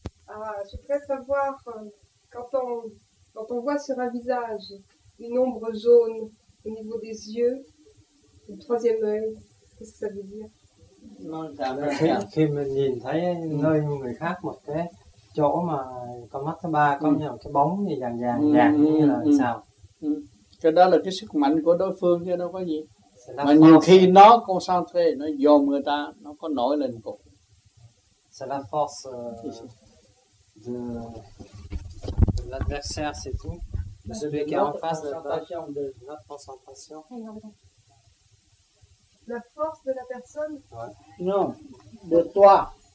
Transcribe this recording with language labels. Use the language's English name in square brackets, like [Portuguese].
[French] Ah, je voudrais savoir quand on voit sur un visage une ombre jaune au niveau des yeux, le troisième œil, qu'est-ce que ça veut dire? [Vietnamese] Khi mình nhìn thấy nơi người khác một cái chỗ mà con mắt thứ ba có như là cái bóng gì vàng vàng vàng như là sao? Cái đó là cái sức mạnh của đối phương chứ đâu có gì. Mà nhiều khi nó concentré, nó dồn người ta, nó có nổi lên cục. [French] C'est la force de l'adversaire, c'est tout. Celui qui est en face de toi, de notre concentration. La force de la personne? Ouais. Non, de toi.